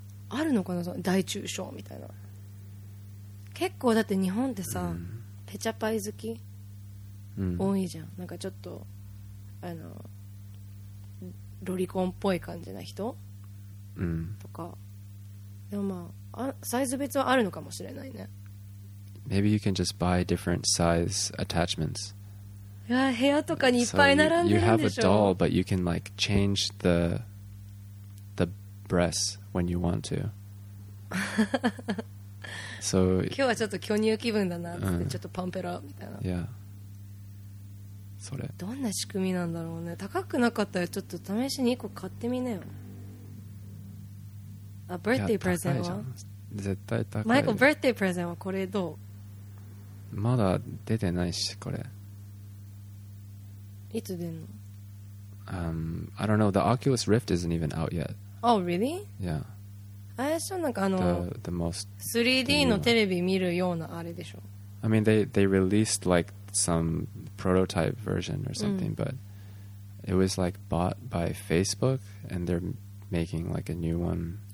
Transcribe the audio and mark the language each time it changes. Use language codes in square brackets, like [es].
[ja] あるのかな、大中小みたいな。結構だって日本ってさ、ペチャパイ好き、多いじゃん。なんかちょっとあのロリコンっぽい感じな人、とか。でもまあ、サイズ別はあるのかもしれないね。 [en] Maybe you can just buy different size attachments. [ja] いや、部屋とかにいっぱい並んでるんでしょ。 [en] So you have a doll, but you can like change the breasts when you want to. So [ja] 今日はちょっと巨乳気分だなって、ちょっとパンペラみたいな。 [en] Yeah. それ。 [ja] どんな仕組みなんだろうね。高くなかったらちょっと試しに1個買ってみなよ。あ、ブッディープレゼンは絶対高い。マイクル、ブッディープレゼンはこれどう？まだ出てないし、これ。いつ出んの? [en] I don't know. The Oculus Rift isn't even out yet. Oh, really? Yeah. [ja] あれしょ、なんかあの [en] the most [ja] 3D のテレビ見るようなあれでしょ。 [en] I mean, they released like some prototype version or something, but it was like bought by Facebook, and they're making like a new one.